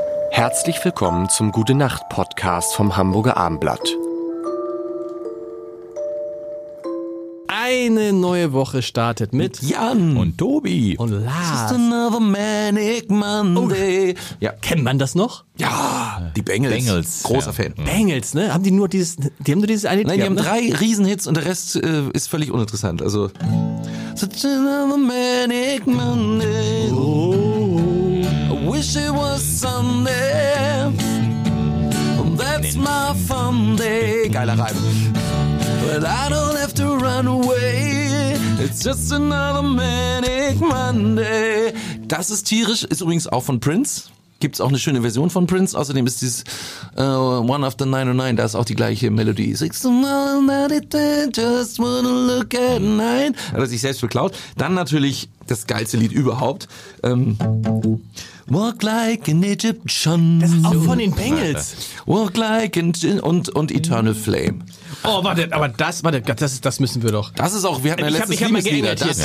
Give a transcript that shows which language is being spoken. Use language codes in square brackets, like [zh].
[de] Herzlich willkommen zum Gute-Nacht-Podcast vom Hamburger Abendblatt. Eine neue Woche startet mit Jan und Tobi und Lars. [en] Just another manic Monday. [de] Ja. Kennt man das noch? Ja, die Bengals. Großer ja. Fan. Bengals, ne? Haben die nur dieses, die haben nur dieses eine? Nein, die haben drei Riesenhits und der Rest ist völlig uninteressant. Also. [en] Such another manic Monday. Oh. I wish it was Sunday. And that's my fun day. [de] Geiler Reim. [en] But I don't have to run away. It's just another manic Monday. [de] Das ist tierisch, ist übrigens auch von Prince. Gibt's auch eine schöne Version von Prince. Außerdem ist dieses One of the 909, da ist auch die gleiche Melodie. [en] It's another manic Monday, just wanna look at nine. [de] Hat er sich selbst beklaut. Dann natürlich das geilste Lied überhaupt. [en] Walk like an Egyptian. [de] Das ist auch von den Bengals. Walk like an und Eternal Flame. Oh, warte, aber das müssen wir doch. Das ist auch, wir hatten ja letztes Liebeslieder.